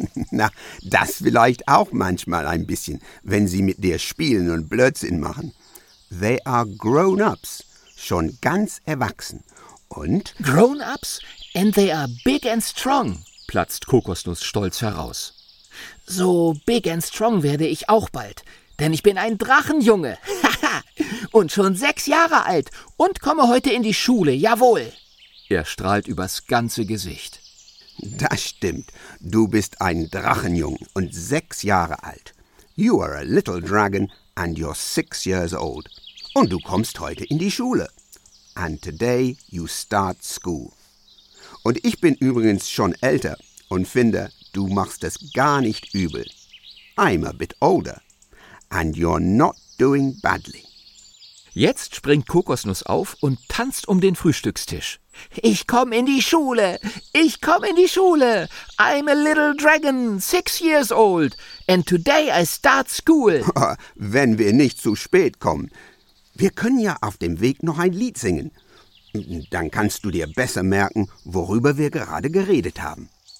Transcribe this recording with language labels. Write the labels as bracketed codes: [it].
[de] Na, das vielleicht auch manchmal ein bisschen, wenn sie mit dir spielen und Blödsinn machen. [en] They are grown-ups, [de] schon ganz erwachsen. Und? [en] Grown-ups and they are big and strong, [de] platzt Kokosnuss stolz heraus. [en] So big and strong [de] werde ich auch bald, denn ich bin ein Drachenjunge. Und schon 6 Jahre alt und komme heute in die Schule, jawohl. Er strahlt übers ganze Gesicht. Das stimmt, du bist ein Drachenjung und 6 Jahre alt. [en] You are a little dragon and you're 6 years old. [de] Und du kommst heute in die Schule. [en] And today you start school. [de] Und ich bin übrigens schon älter und finde, du machst es gar nicht übel. [en] I'm a bit older and you're not doing badly. [de] Jetzt springt Kokosnuss auf und tanzt um den Frühstückstisch. Ich komm in die Schule! Ich komm in die Schule! [en] I'm a little dragon, 6 years old, and today I start school. [de] Wenn wir nicht zu spät kommen. Wir können ja auf dem Weg noch ein Lied singen. Dann kannst du dir besser merken, worüber wir gerade geredet haben.